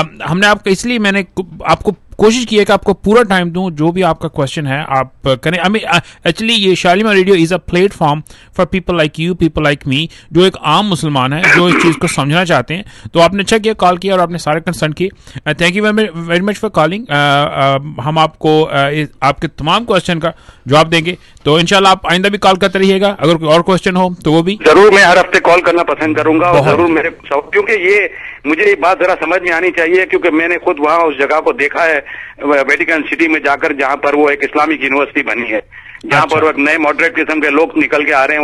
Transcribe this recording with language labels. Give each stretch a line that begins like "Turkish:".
Urdu: ہم نے آپ کو اس لیے میں نے آپ کو کوشش کی ہے کہ آپ کو پورا ٹائم دوں، جو بھی آپ کا کوشچن ہے آپ کریں. ایکچولی یہ شالیما radio
English: is a platform for people like you, people like me,
Urdu: جو ایک عام مسلمان ہے جو اس چیز کو سمجھنا چاہتے ہیں. تو آپ نے اچھا کیا کال کیا اور آپ نے سارے کنسرن کیے.
English: Thank you very much for calling.
Urdu: ہم آپ کو آپ کے تمام کوشچن کا جواب دیں گے. تو ان شاء اللہ آپ آئندہ بھی کال کرتے رہیے گا، اگر کوئی اور کوشچن ہو تو وہ بھی ضرور. میں ہر ہفتے کال کرنا پسند کروں گا ضرور، میرے کیونکہ یہ مجھے یہ بات ذرا سمجھ میں آنی چاہیے، کیونکہ میں نے خود وہاں اس جگہ کو دیکھا ہے ویٹیکن سٹی میں جا کر، جہاں پر وہ ایک اسلامک یونیورسٹی بنی ہے، جہاں پر ایک نئے ماڈریٹ قسم کے لوگ نکل کے آ رہے ہیں.